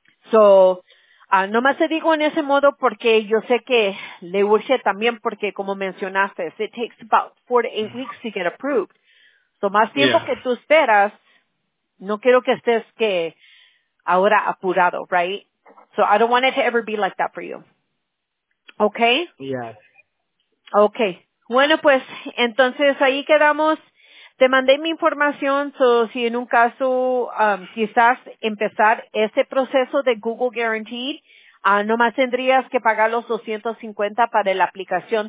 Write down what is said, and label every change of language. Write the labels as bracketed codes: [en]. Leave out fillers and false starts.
[es] So, nomás te digo en ese modo porque yo sé que le urge también porque, como mencionaste, [en] it takes about 4 to 8 weeks to get approved. [es] So, más tiempo que tú esperas, no quiero que estés que ahora apurado, [en] right? So, I don't want it to ever be like that for you. Okay? Yes. Okay. [es] Bueno, pues, entonces, ahí quedamos. Te mandé mi información, so si en un caso quizás empezar ese proceso de Google Guaranteed, nomás tendrías que pagar los $250 para la aplicación.